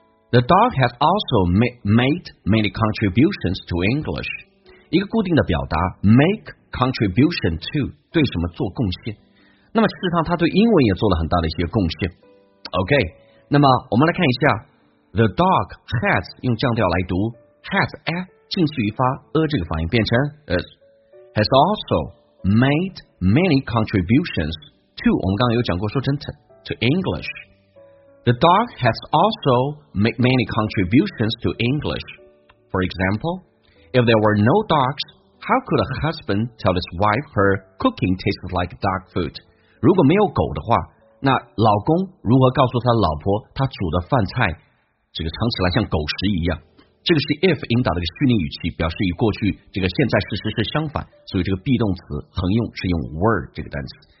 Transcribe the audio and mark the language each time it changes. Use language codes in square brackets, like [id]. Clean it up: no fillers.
[en] The dog has also made many contributions to English. [zh] 一个固定的表达 [en] make contribution to [zh] 对什么做贡献？那么事实上，他对英文也做了很大的一些贡献。 OK， 那么我们来看一下 ， [en] the dog has [zh] 用降调来读 has a 近似于发 a 这个发音变成 [en] is has also made many contributions to [zh] 我们刚刚有讲过说成 [en] to English. The dog has also made many contributions to English. For example, if there were no dogs, how could a husband tell his wife her cooking tastes like dog food? [zh] 如果没有狗的话，那老公如何告诉他老婆他煮的饭菜这个尝起来像狗食一样？这个是 if 引导的一个虚拟语气，表示与过去这个现在事实是相反，所以这个 be 动词横用是用 were 这个单词。